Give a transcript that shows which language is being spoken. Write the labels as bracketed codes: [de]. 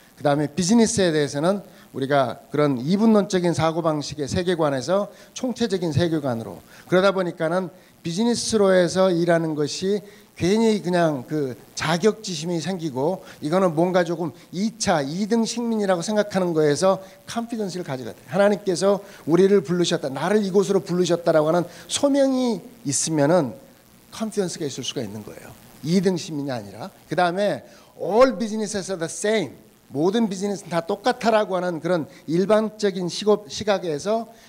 [ko] 그 다음에 비즈니스에 대해서는 우리가 그런 이분론적인 사고방식의 세계관에서 총체적인 세계관으로 그러다 보니까는 비즈니스로 해서 일하는 것이 괜히 그냥 그 자격지심이 생기고 이거는 뭔가 조금 2차 2등 식민이라고 생각하는 거에서 컨피던스를 가져가야 돼. 하나님께서 우리를 부르셨다. 나를 이곳으로 부르셨다라고 하는 소명이 있으면은 컨피던스가 있을 수가 있는 거예요. 2등 식민이 아니라. 그 다음에 [en] all businesses are the same. [ko] 모든 비즈니스는 다 똑같아라고 하는 그런 일반적인 시각에서